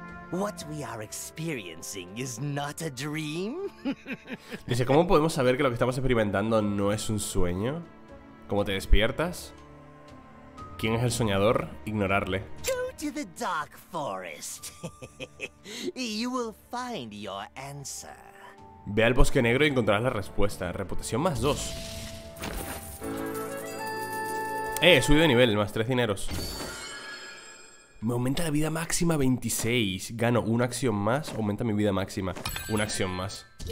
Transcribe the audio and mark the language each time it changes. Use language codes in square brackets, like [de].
[en] What we are experiencing is not a dream. [es] Dice, ¿cómo podemos saber que lo que estamos experimentando no es un sueño? ¿Cómo te despiertas? ¿Quién es el soñador? Ignorarle. [en] Go to the dark forest. You will find your answer. [es] Ve al bosque negro y encontrarás la respuesta. Reputación más 2. He subido de nivel, más 3 dineros. Me aumenta la vida máxima 26. Gano una acción más, aumenta mi vida máxima. Una acción más.